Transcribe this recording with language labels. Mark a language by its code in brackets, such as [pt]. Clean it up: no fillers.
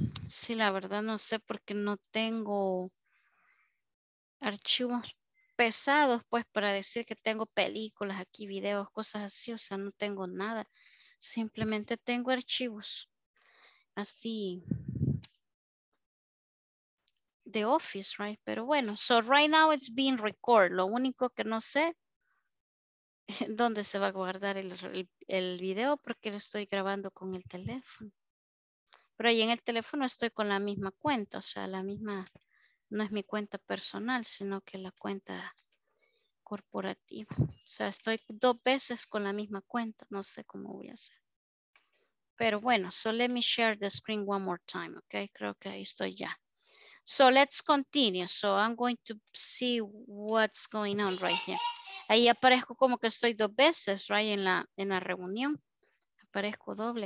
[es] Sí, la verdad no sé, porque no tengo archivos pesados, pues, para decir que tengo películas aquí, videos, cosas así. O sea, no tengo nada, simplemente tengo archivos así de Office, right? Pero bueno, [en] so right now it's being recorded. [es] Lo único que no sé es dónde se va a guardar el video, porque lo estoy grabando con el teléfono. Pero ahí en el teléfono estoy con la misma cuenta, o sea, la misma, no es mi cuenta personal, sino que la cuenta corporativa. O sea, estoy dos veces con la misma cuenta, no sé cómo voy a hacer. Pero bueno, [en] so let me share the screen one more time, okay? [es] Creo que ahí estoy ya. [en] So let's continue. So I'm going to see what's going on right here. [es] Ahí aparezco como que estoy dos veces, right, en la reunión. Aparezco doble.